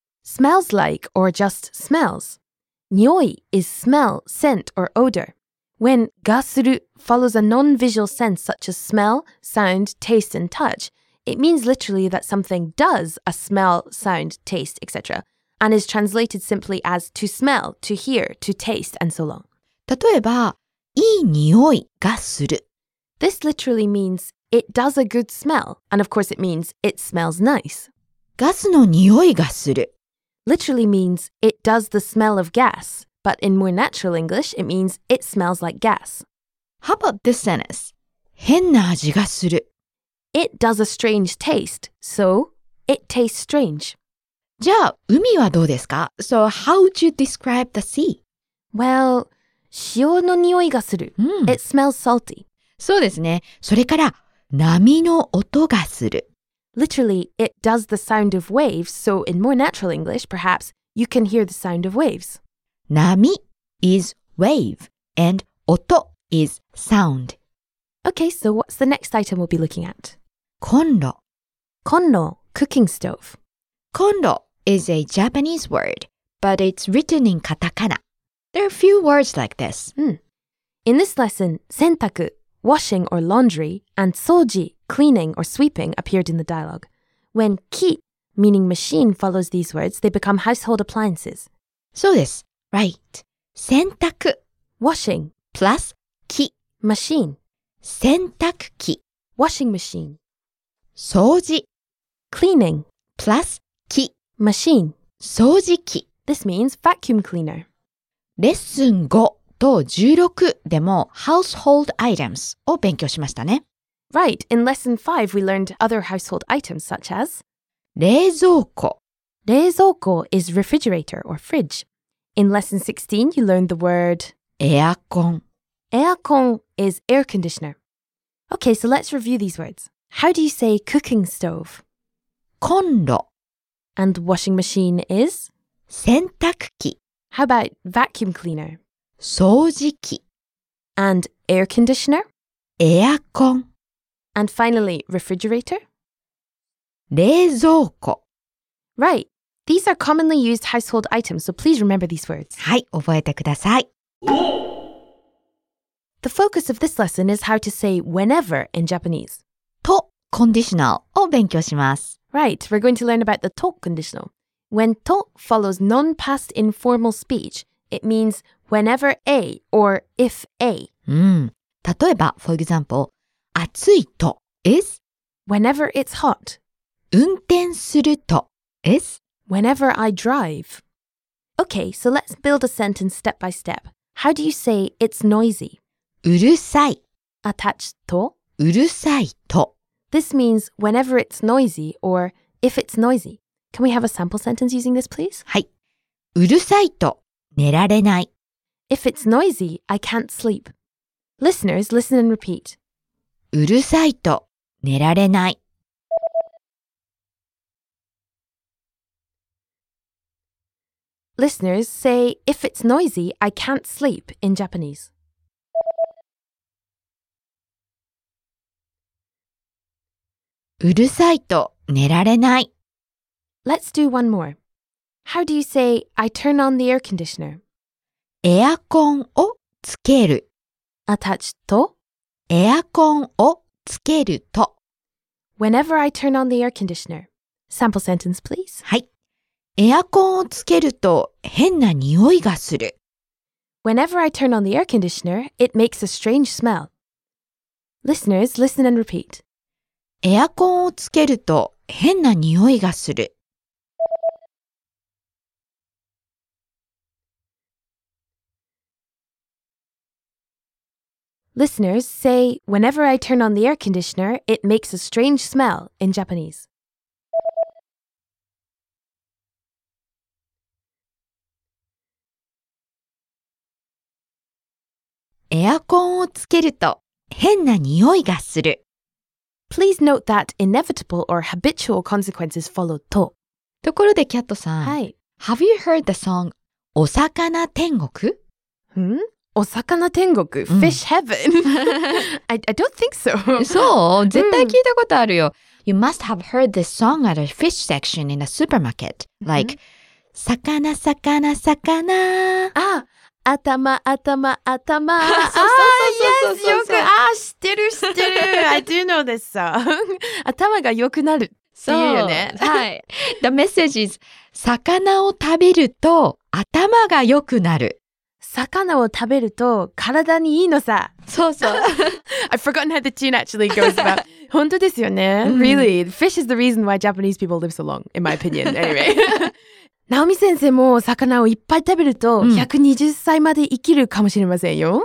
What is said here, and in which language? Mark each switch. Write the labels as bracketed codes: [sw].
[en] Smells like or just smells. 匂い is smell, scent or odor. When がする follows a non-visual sense such as smell, sound, taste, and touch, it means literally that something does a smell, sound, taste, etc. and is translated simply as to smell, to hear, to taste, and so on. [ja] 例えば、いい匂いがする。 [en] This literally means it does a good smell, and of course it means it smells nice. [ja] ガスの匂いがする。 [en] Literally means it does the smell of gas. But in more natural English, it means it smells like gas. How about this sentence? [ja] 変な味がする。 [en] It does a strange taste, so it tastes strange. [ja] じゃあ、海はどうですか? [en] So how would you describe the sea? [ja] Well, 潮の匂いがする。 [en] It smells salty. [ja] そうですね。それから、波の音がする。 [en] Literally, it does the sound of waves, so in more natural English, perhaps, you can hear the sound of waves. 波 is wave, and 音 is sound. Okay, so what's the next item we'll be looking at? [ja] コンロ。 [en] コンロ、cooking stove. コンロ is a Japanese word, but it's written in katakana. There are a few words like this. In this lesson, 洗濯 washing or laundry, and 掃除 cleaning or sweeping appeared in the dialogue. When ki, meaning machine, follows these words, they become household appliances. [ja] そうです。Right. 洗濯 [en] washing plus 機 machine [ja] 洗濯機 [en] washing machine [ja] 掃除 [en] cleaning plus 機 machine [ja] 掃除機 [en] This means vacuum cleaner. [ja] レッスン5と16でも [en] household items [ja] を勉強しましたね。 [en] Right, in lesson 5 we learned other household items such as [ja] 冷蔵庫。 [en] 冷蔵庫 is refrigerator or fridge. In lesson 16 you learned the word [ja] エアコン。 [en] エアコン is air conditioner. Okay, so let's review these words. How do you say cooking stove? [ja] コンロ。 [en] And washing machine is [ja] 洗濯機。 [en] How about vacuum cleaner? [ja] 掃除機。 [en] And air conditioner? [ja] エアコン。 [en] And finally, refrigerator? [ja] 冷蔵庫。 [en] Right. These are commonly used household items, so please remember these words. [ja] はい、覚えてください。 [en] The focus of this lesson is how to say whenever in Japanese. [ja] と conditional を勉強します。 [en] Right. We're going to learn about the と conditional. When と follows non-past informal speech, it means whenever A or if A. [ja] 例えば、 [en] for example, 暑いと is whenever it's hot. [ja] 運転すると is [en] whenever I drive. Okay, so let's build a sentence step by step. How do you say it's noisy? [ja] うるさい [en] Attach と [ja] うるさいと [en] This means whenever it's noisy or if it's noisy. Can we have a sample sentence using this, please? [ja] はい。うるさいと寝られない [en] If it's noisy, I can't sleep. Listeners, listen and repeat. [ja] うるさいと寝られない。 [en] Listeners say, if it's noisy, I can't sleep in Japanese. [ja] うるさいと寝られない。 [en] Let's do one more. How do you say, I turn on the air conditioner? [ja] エアコンをつける。 [en] Attach と [ja] エアコンをつけると。 [en] Whenever I turn on the air conditioner. Sample sentence, please. [ja] はい。エアコンをつけると変な匂いがする。 [en] Whenever I turn on the air conditioner, it makes a strange smell. Listeners, listen and repeat. [ja] エアコンをつけると変な匂いがする。 [en] Listeners say, whenever I turn on the air conditioner, it makes a strange smell in Japanese. [ja] エアコンをつけると変な匂いがする。 [en] Please note that inevitable or habitual consequences follow と。 [ja] ところでキャットさん。はい。 [en] Have you heard the song, お魚天国? ん? [ja] お魚天国、うん、 [en] Fish heaven. I don't think so. [ja] そう絶対聞いたことあるよ。うん、 [en] you must have heard this song at a fish section in a supermarket. [ja] Like,、うん、魚魚魚。あ、頭頭頭。あ、yes! よく、あ、知ってる知ってる。 [en] I do know this song. [ja] 頭が良くなるっていうよね。はい。 [en] The message is, [ja] 魚を食べると頭が良くなる。魚を食べると体にいいのさ。そうそう。 [en] I've forgotten how the tune actually goes about. [ja] 本当ですよね。 [en] Really, fish is the reason why Japanese people live so long, in my opinion. Anyway. [ja] ナオミ先生も魚をいっぱい食べると120歳まで生きるかもしれませんよ。